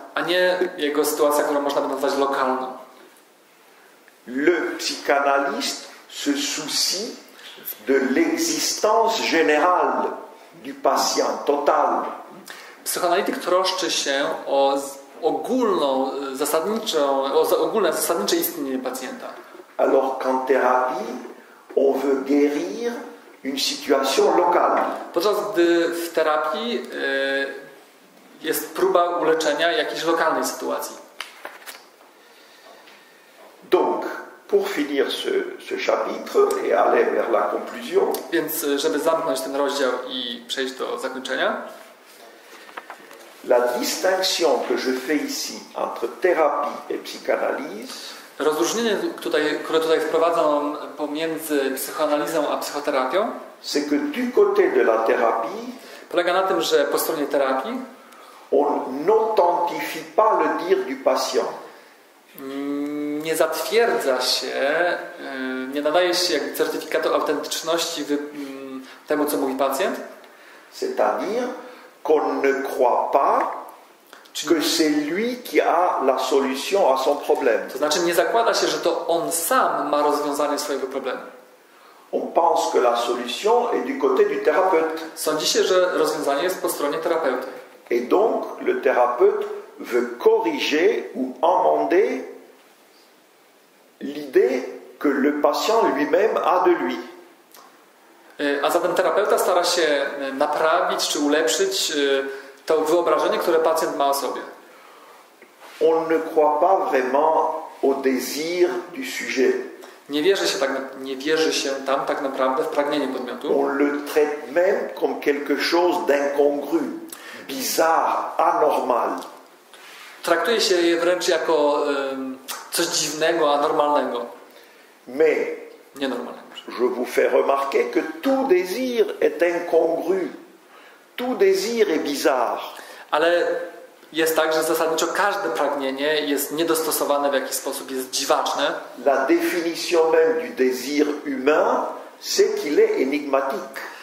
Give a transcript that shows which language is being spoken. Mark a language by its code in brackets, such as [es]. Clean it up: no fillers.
[pl] A nie jego sytuacja, którą można by nazwać lokalną. [fr] Le psychanalyste se soucie de l'existence générale du patient total. [pl] Psychoanalityk troszczy się o ogólną zasadniczą, o ogólne zasadnicze istnienie pacjenta. [fr] Alors qu'en thérapie, on veut guérir une situation locale. [pl] Podczas gdy w terapii jest próba uleczenia jakiejś lokalnej sytuacji. [fr] Donc, pour finir ce chapitre et aller vers la conclusion. [pl] Więc żeby zamknąć ten rozdział i przejść do zakończenia. [fr] La distinction que je fais ici entre thérapie et psychanalyse. [pl] Rozróżnienie, które tutaj wprowadzam pomiędzy psychoanalizą a psychoterapią, [fr] c'est que du côté de la thérapie, [pl] polega na tym, że po stronie terapii [fr] on n'authentifie pas le dire du patient. [pl] Nie zatwierdza się, nie nadaje się jak certyfikatu autentyczności temu, co mówi pacjent. [fr] C'est-à-dire qu'on ne croit pas que c'est lui qui a la solution à son problème. [pl] To znaczy nie zakłada się, że to on sam ma rozwiązanie swojego problemu. [fr] On pense que la solution est du côté du thérapeute. [pl] Sądzi się, że rozwiązanie jest po stronie terapeuty. [fr] Et donc le thérapeute veut corriger ou amender l'idée que le patient lui-même a de lui. [pl] A zatem terapeuta stara się naprawić czy ulepszyć to wyobrażenie, które pacjent ma o sobie. [fr] On ne croit pas vraiment au désir du sujet. [pl] Nie wierzy się tam tak naprawdę w pragnienie podmiotu. [fr] On le traite même comme quelque chose d'incongru, bizarre, anormal. [pl] Traktuje się je wręcz jako coś dziwnego, anormalnego. [fr] Mais [pl] nienormalnego. [fr] Je vous fais remarquer que tout désir est incongru. Tout désir est bizarre. [pl] Ale jest tak, że zasadniczo każde pragnienie jest niedostosowane w jakiś sposób, jest dziwaczne. [fr] La définition même du désir humain, c'est qu'il est énigmatique.